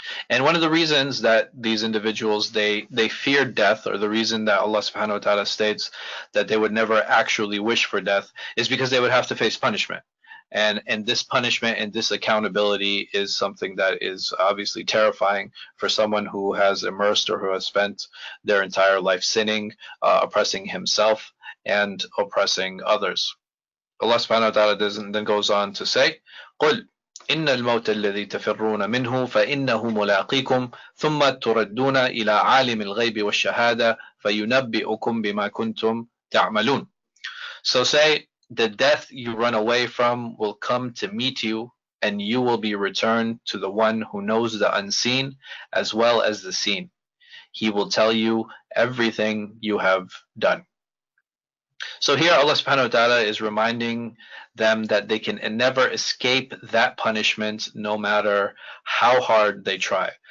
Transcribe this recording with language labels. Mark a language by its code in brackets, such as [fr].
[en] And one of the reasons that these individuals, they fear death, or the reason that Allah subhanahu wa ta'ala states that they would never actually wish for death, is because they would have to face punishment. And this punishment and this accountability is something that is obviously terrifying for someone who has immersed or who has spent their entire life sinning, oppressing himself and oppressing others. Allah subhanahu wa ta'ala then goes on to say, [ar] قُلْ إِنَّ الْمَوْتَ الَّذِي تَفِرُّونَ مِنْهُ فَإِنَّهُ مُلَاقِيكُمْ ثُمَّ تُرَدُّونَ إِلَىٰ عَالِمِ الْغَيْبِ وَالشَّهَادَةِ فَيُنَبِّئُكُمْ بِمَا كُنْتُمْ تَعْمَلُونَ. [en] So say, the death you run away from will come to meet you, and you will be returned to the one who knows the unseen as well as the seen. He will tell you everything you have done. So here Allah subhanahu wa ta'ala is reminding them that they can never escape that punishment no matter how hard they try.